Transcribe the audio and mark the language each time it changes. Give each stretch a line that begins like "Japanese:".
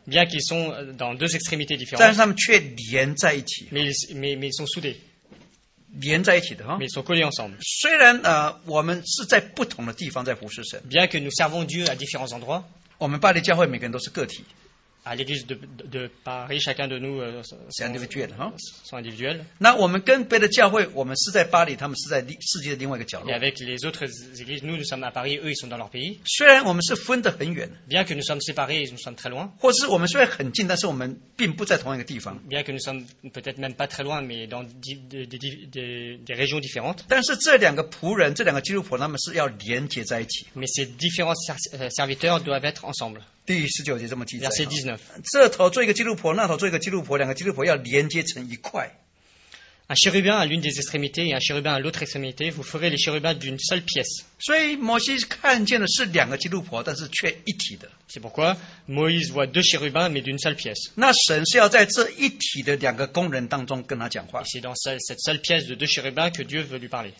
French: bien qu'ils sont dans deux extrémités différentes,
Chinese: 但是他们却连在一起,
French: mais ils sont soudés.
Chinese: 连在一起的,
French: mais ils sont collés ensemble.
Chinese: 虽然我们是在不同的地方在服侍神,
French: bien que nous servons Dieu à différents endroits,
Chinese: 我们巴黎教会每个人都是个体,
French: à l'église de Paris, chacun de nous sont individuels.
Chinese: 那我们跟别的教会, 我们是在巴黎, 他们是在世界的另外一个角落。
French: Et avec les autres églises, nous sommes à Paris, eux ils sont dans leur pays.
Chinese: 虽然我们是分得很远,
French: bien que nous sommes séparés, nous sommes très loin.
Chinese: 或是我们虽然很近, 但是我们并不在同一个地方。
French: Bien que nous sommes peut-être même pas très loin, mais dans des régions différentes.
Chinese: 但是这两个仆人, 这两个基督婆, 他们是要连接在一起。
French: Mais ces différents serviteurs doivent être ensemble.
Chinese: 第十九节这么记载。
French: Verset 19.
Chinese: 这头做一个基督婆，那头做一个基督婆，两个基督婆要连接成一块。
French: Un chérubin à l'une des extrémités et un chérubin à l'autre extrémité, vous ferez les chérubins d'une seule pièce. C'est pourquoi Moïse voit deux chérubins, mais d'une seule pièce. Et c'est dans cette seule pièce de deux chérubins que Dieu veut lui parler.